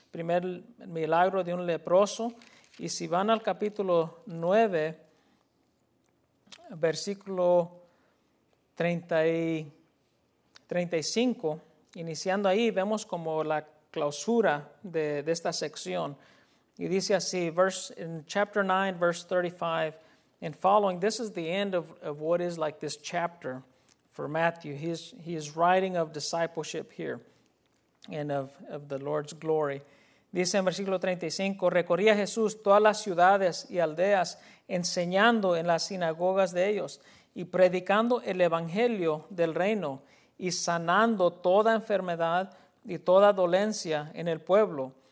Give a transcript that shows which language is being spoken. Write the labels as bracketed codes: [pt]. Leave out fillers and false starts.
[es] Primer milagro de un leproso. Y si van al capítulo 9, versículo 35, iniciando ahí, vemos como la clausura de esta sección. Y dice así, [en] in chapter 9, verse 35, and following, this is the end of what is like this chapter for Matthew. He is writing of discipleship here and of the Lord's glory. [es] Dice en versículo 35, recorría Jesús todas las ciudades y aldeas, enseñando en las sinagogas de ellos y predicando el evangelio del reino y sanando toda enfermedad y toda dolencia en el pueblo.